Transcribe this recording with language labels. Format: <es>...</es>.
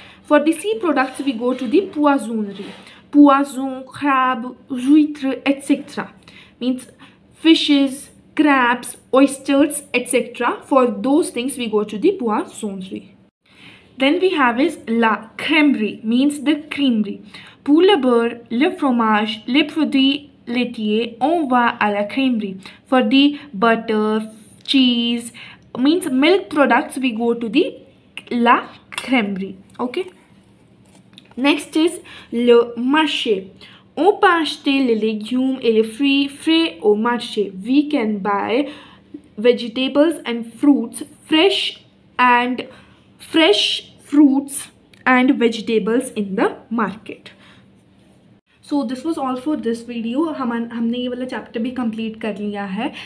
<en>For the sea products we go to the poissonnerie. Poisson, crab, huître, etc. means fishes, crabs, oysters, etc. For those things we go to the poissonnerie. Then we have is la crèmerie, means the creamery.</en> <fr>Pour le beurre, le fromage, les produits laitier, on va à la crèmerie.</fr> <en>For the butter, cheese, means milk products, we go to the la crèmerie. Okay. Next is le marché.</en> <fr>On peut acheter les légumes et les fruits frais au marché.</fr> <en>We can buy vegetables and fruits fresh and fresh fruits and vegetables in the market. So this was all for this video.</en> <hi>हमने ये वाला chapter भी complete कर लिया है.</hi>